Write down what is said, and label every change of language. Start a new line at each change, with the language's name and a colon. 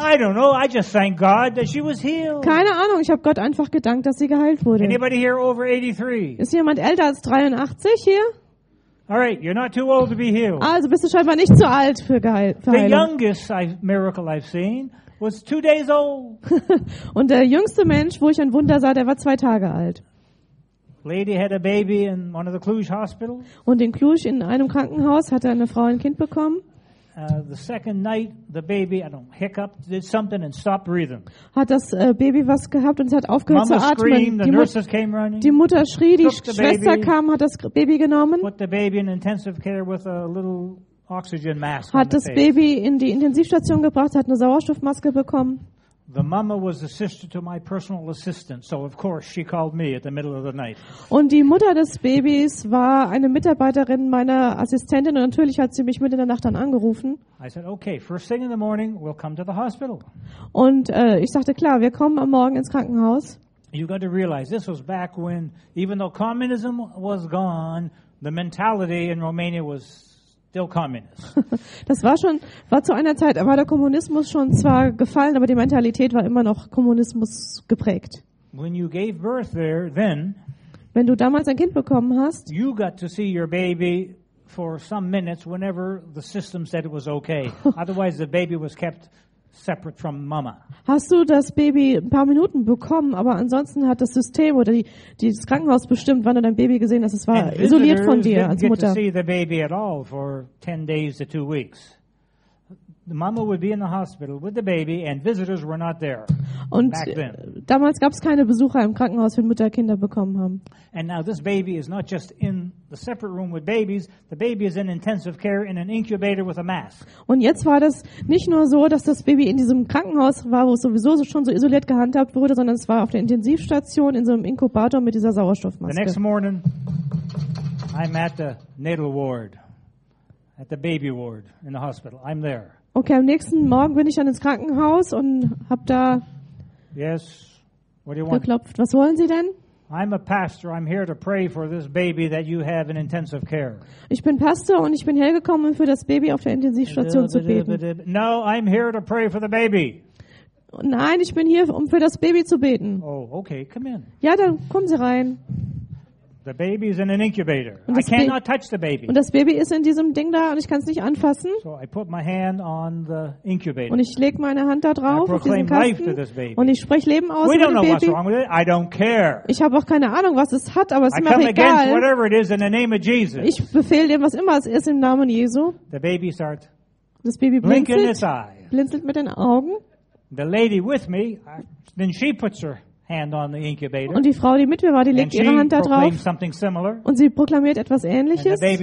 English: I don't know, I just thank God that she was healed.
German: Keine Ahnung, ich habe Gott einfach gedankt, dass sie geheilt wurde.
English: Anybody here over 83?
German: Ist jemand älter als 83 hier?
English: All right, you're not too old to be healed.
German: Also bist du scheinbar nicht zu alt für Heilung.
English: The youngest miracle I've seen was 2 days old.
German: Und der jüngste Mensch, wo ich ein Wunder sah, der war 2 Tage alt.
English: Lady had a baby in one of the Cluj hospitals.
German: Und in Cluj in einem Krankenhaus hatte eine Frau ein Kind bekommen.
English: The second night, the baby, I don't hiccup, did something and stopped breathing.
German: Hat das Baby was gehabt und es hat aufgehört
English: Mama
German: zu atmen.
English: Screamed, the nurses came running.
German: Die Mutter schrie, die Schwester kam, hat das Baby genommen.
English: Put the baby in intensive care with a little oxygen mask.
German: Hat das Baby in die Intensivstation gebracht, hat eine Sauerstoffmaske bekommen.
English: The mama was the sister to my personal assistant, so of course she called me at the middle of the night.
German: Und die Mutter des Babys war eine Mitarbeiterin meiner Assistentin und natürlich hat sie mich mitten in der Nacht dann angerufen.
English: I said, okay, first thing in the morning, we'll come to the hospital.
German: Und ich sagte, klar, wir kommen am Morgen ins Krankenhaus.
English: You got to realize this was back when even though communism was gone, the mentality in Romania was still communist.
German: Das war schon, war zu einer Zeit, war der Kommunismus schon zwar gefallen, aber die Mentalität war immer noch Kommunismus geprägt.
English: When you gave birth there, then,
German: wenn du damals ein Kind bekommen hast,
English: you got to see your baby for some minutes whenever the system said it was okay. Otherwise the baby was kept separate from mama.
German: Hast du das Baby ein paar Minuten bekommen, aber ansonsten hat das System oder das Krankenhaus bestimmt, wann du dein Baby gesehen hast, es war
English: and
German: isoliert von dir als Mutter.
English: To see the baby at all for 10 days to 2 weeks. The mama would be in the hospital with the baby and visitors were not there.
German: Und damals gab es keine Besucher im Krankenhaus, wenn Mutter Kinder bekommen haben.
English: And now this baby is not just in the separate room with babies, the baby is in intensive care in an incubator with a mask.
German: Und jetzt war das nicht nur so, dass das Baby in diesem Krankenhaus war, wo es sowieso schon so isoliert gehandhabt wurde, sondern es war auf der Intensivstation in so einem Inkubator mit dieser Sauerstoffmaske.
English: The next morning I'm at the natal ward, at the baby ward in the hospital. I'm there.
German: Okay, am nächsten Morgen bin ich dann ins Krankenhaus und habe da
English: yes. What do you
German: geklopft.
English: Want?
German: Was wollen Sie denn?
English: I'm a pastor. I'm here to pray for this baby that you have in intensive care.
German: Ich bin Pastor und ich bin hergekommen, um für das Baby auf der Intensivstation zu beten.
English: No, I'm here to pray for the baby.
German: Nein, ich bin hier, um für das Baby zu beten.
English: Oh, okay, come in.
German: Ja, dann kommen Sie rein.
English: The baby is in an incubator. I cannot touch the baby.
German: Und das Baby ist in diesem Ding da und ich kann es nicht anfassen.
English: So I put my hand on the incubator.
German: Und ich lege meine Hand da drauf auf diesen Kasten. Und ich spreche Leben aus dem Baby.
English: We don't know what's wrong with it. I don't care.
German: Ich habe auch keine Ahnung, was es hat, aber es ist mir egal.
English: I come against whatever it is in the name of Jesus.
German: Ich befehle dem, was immer es ist, im Namen Jesu.
English: The baby starts.
German: Das Baby blinzelt.
English: Blinking its eye.
German: Blinzelt mit den Augen.
English: The lady with me, then she puts her hand on the incubator.
German: Und die Frau, die mit mir war, die legt ihre Hand da drauf. Und sie proklamiert etwas Ähnliches.